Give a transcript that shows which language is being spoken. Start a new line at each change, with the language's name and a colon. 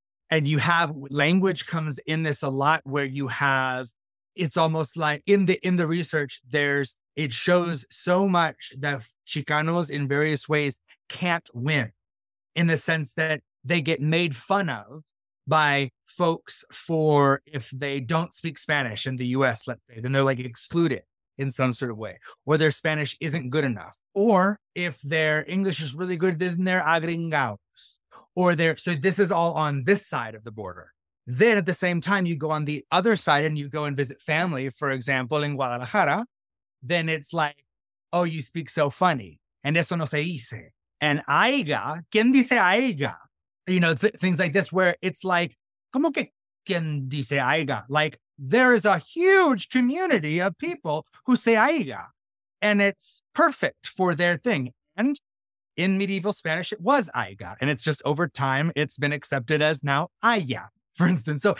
English: And you have language comes in this a lot where you have, it's almost like in the research, it shows so much that Chicanos in various ways can't win in the sense that they get made fun of by folks for if they don't speak Spanish in the US, let's say, then they're like excluded in some sort of way, or their Spanish isn't good enough, or if their English is really good, then they're agringados, or they're, so this is all on this side of the border. Then at the same time, you go on the other side and you go and visit family, for example, in Guadalajara, then it's like, oh, you speak so funny.
Spanish: And eso no se dice. And aiga, ¿quién dice aiga?
English: You know, things like this, where it's like,
Spanish: ¿cómo que quién dice aiga?
English: Like, there is a huge community of people who say aiga, and it's perfect for their thing. And in medieval Spanish, it was aiga. And it's just over time, it's been accepted as now aya, for instance.